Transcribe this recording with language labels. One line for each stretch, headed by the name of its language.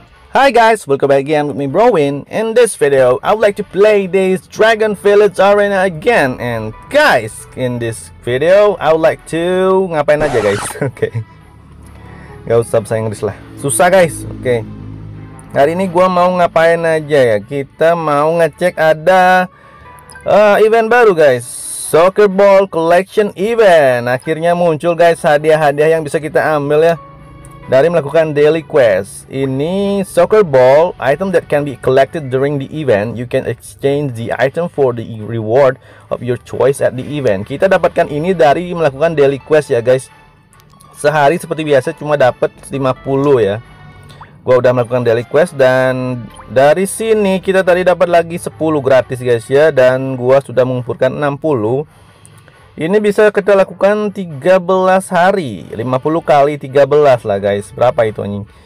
English: Hi guys, welcome back again with me Browin. In this video, I would like to play this Dragon Village Arena again. And guys, in this video, I would like to
Indonesian: ngapain aja
English: guys.
Indonesian: Oke. Okay. Gak usah bahasa Inggris lah. Susah guys. Oke. Okay. Hari ini gua mau ngapain aja ya? Kita mau ngecek ada event baru guys.
English: Soccer Ball Collection Event.
Indonesian: Akhirnya muncul guys hadiah-hadiah yang bisa kita ambil ya. Dari melakukan daily quest, ini
English: soccer ball, item that can be collected during the event. You can exchange the item for the reward of your choice at the event.
Indonesian: Kita dapatkan ini dari melakukan daily quest ya guys. Sehari seperti biasa cuma dapat 50 ya. Gua udah melakukan daily quest dan dari sini kita tadi dapat lagi 10 gratis guys ya. Dan gua sudah mengumpulkan 60. Ini bisa kita lakukan 13 hari, 50 kali 13 lah guys, berapa itu anjing?